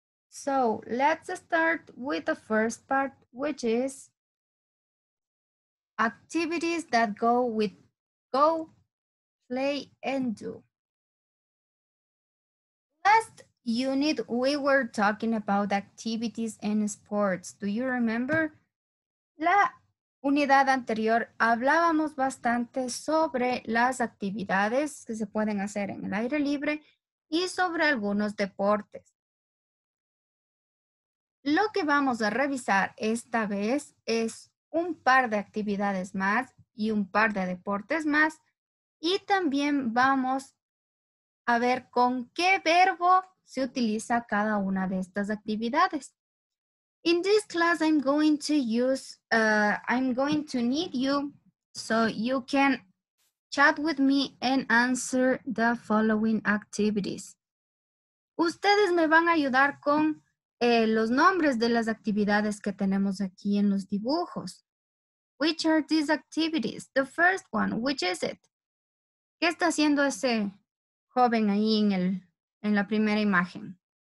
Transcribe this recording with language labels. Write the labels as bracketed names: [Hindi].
[English] So let's start with the first part, which is activities that go with go, play, and do. Last unit, we were talking about activities and sports. Do you remember? [Spanish] La unidad anterior, hablábamos bastante sobre las actividades que se pueden hacer en el aire libre y sobre algunos deportes. Lo que vamos a revisar esta vez es un par de actividades más y un par de deportes más. Y también vamos a ver con qué verbo se utiliza cada una de estas actividades. [English] In this class, I'm going to need you so you can chat with me and answer the following activities. [Spanish] Ustedes me van a ayudar con los nombres de las actividades que tenemos aquí en los dibujos. [English] Which are these activities? The first one, which is it? [Spanish] ¿Qué está haciendo ese joven ahí en el en la primera imagen?